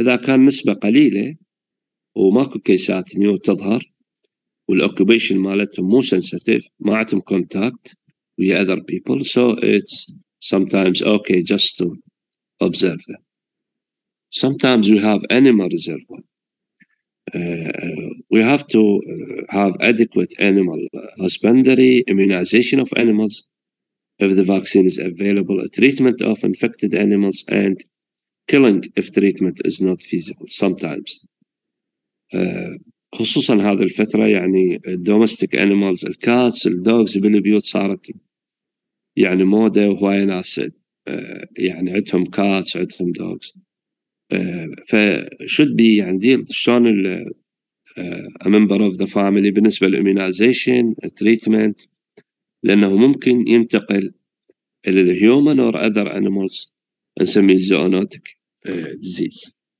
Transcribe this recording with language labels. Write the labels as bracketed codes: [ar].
[ar] إذا كان نسبة قليلة وماكو كيسات نيو تظهر والأوكوبيشن مالتهم مو سنسيتيف, ما عندهم كونتاكت ويا other people, [en] so it's sometimes okay just to observe them. Sometimes we have animal reservoir. We have to have adequate animal husbandry, immunization of animals if the vaccine is available, a treatment of infected animals and killing if treatment is not feasible sometimes. [ar] خصوصا هذه الفترة يعني domestic animals الكاتس الدوغز بالبيوت صارت يعني مودة, وهواي ناس يعني عندهم كاتس عندهم دوغز, فشود بي يعني ديل شلون ال [en] member of the family [ar] بالنسبة للإيمونايزيشن تريتمنت، لأنه ممكن ينتقل إلى الهيومن أو أذر أنيمالز نسميه زونوتك ديزيز.